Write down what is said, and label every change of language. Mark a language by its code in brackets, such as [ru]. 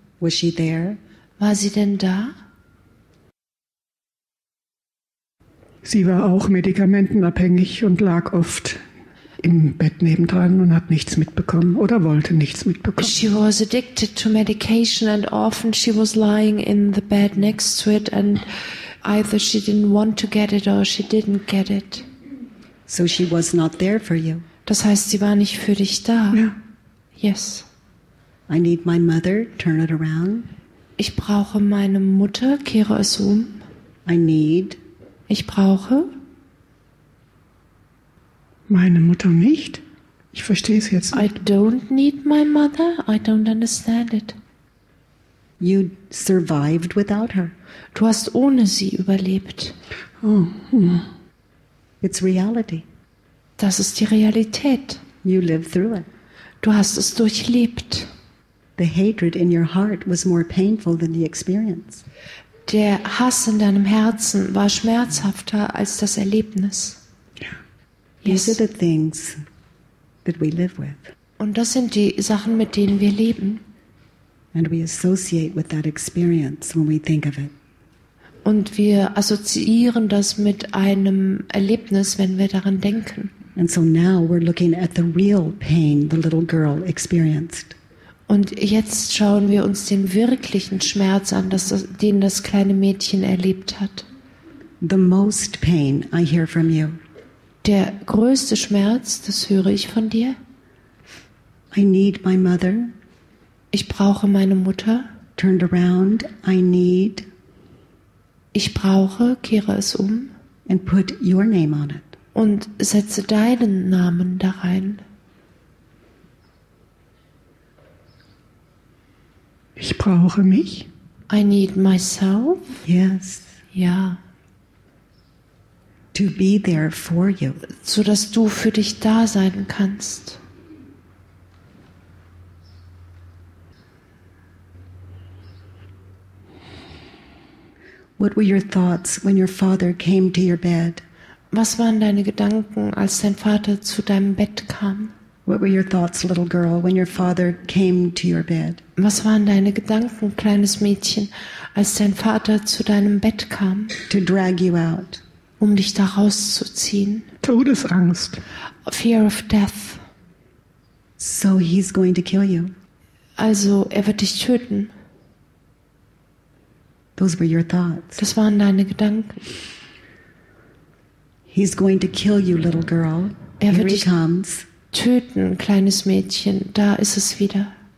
[en] Was she there? [de] War sie denn da? Sie war auch medikamentenabhängig und lag oft im Bett nebendran und hat nichts mitbekommen oder wollte nichts mitbekommen. [en] She was addicted to medication and often she was lying in the bed next to it and either she didn't want to get it or she didn't get it. So she was not there for you. [de] Das heißt, sie war nicht für dich da. Ja. [en] Yes. I need my mother. Turn it around. [de] Ich brauche meine Mutter. Kehre es um. [en] I need. [de] Ich brauche. Meine Mutter nicht? Ich verstehe es jetzt nicht. [en] I don't need my mother. I don't understand it. You survived without her. [de] Du hast ohne sie überlebt. [en] Oh. It's reality. [de] Das ist die Realität. [en] You lived through it. [de] Du hast es durchlebt. [en] The hatred in your heart was more painful than the experience. [de] Der Hass in deinem Herzen war schmerzhafter als das Erlebnis. [en] These are the things that we live with. [de] Und das sind die Sachen, mit denen wir leben. [en] And we associate with that experience when we think of it. [de] Und wir assoziieren das mit einem Erlebnis, wenn wir daran denken. [en] And so now we're looking at the real pain the little girl experienced. [de] Und jetzt schauen wir uns den wirklichen Schmerz an, den das kleine Mädchen erlebt hat. [en] The most pain I hear from you. [de] Der größte Schmerz, das höre ich von dir. [en] I need my mother. [de] Ich brauche meine Mutter. [en] Turned around, I need. [de] Ich brauche, kehre es um. [en] And put your name on it. [de] Und setze deinen Namen da rein. Ich brauche mich. [en] I need myself. Yes. [de] Ja. [en] To be there for you. [de] So dass du für dich da sein kannst. [en] What were your thoughts when your father came to your bed? [de] Was waren deine Gedanken, als dein Vater zu deinem Bett kam? [en] What were your thoughts, little girl, when your father came to your bed? [de] Was waren deine Gedanken, kleines Mädchen, als dein Vater zu deinem Bett kam? [en] To drag you out. [de] Um dich da rauszuziehen. Todesangst. [en] Fear of death. So he's going to kill you. [de] Also, wird dich töten. [en] Those were your thoughts. [de] Das waren deine Gedanken. [en] He's going to kill you, little girl. [de] Wird [en] Here he comes. [de] Töten, kleines Mädchen, da ist es wieder.